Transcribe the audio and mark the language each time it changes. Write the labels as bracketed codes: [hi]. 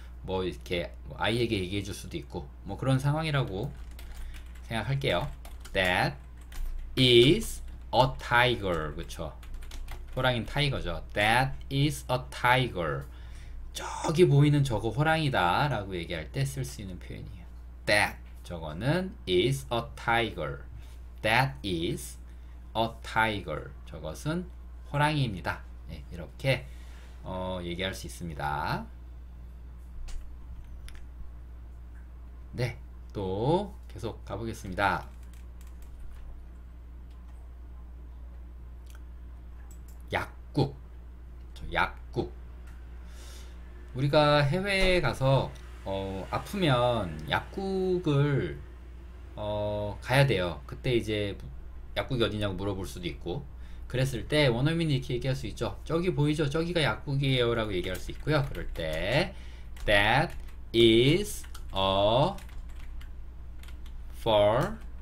[ko] 뭐, 이렇게, 아이에게 얘기해 줄 수도 있고, 뭐, 그런 상황이라고 생각할게요. [en] That is a tiger. [ko] 그쵸. 호랑이는 타이거죠. [en] That is a tiger. [ko] 저기 보이는 저거 호랑이다 라고 얘기할 때쓸수 있는 표현이에요. [en] That [ko] 저거는 [en] is a tiger. That is a tiger. [ko] 저것은 호랑이입니다. 네, 이렇게 얘기할 수 있습니다. 네, 또 계속 가보겠습니다. 약국. 우리가 해외에 가서 아프면 약국을 가야 돼요. 그때 이제 약국이 어디냐고 물어볼 수도 있고, 그랬을 때 원어민이 이렇게 얘기할 수 있죠. 저기 보이죠? 저기가 약국이에요라고 얘기할 수 있고요. 그럴 때 [en] That is a pharmacy.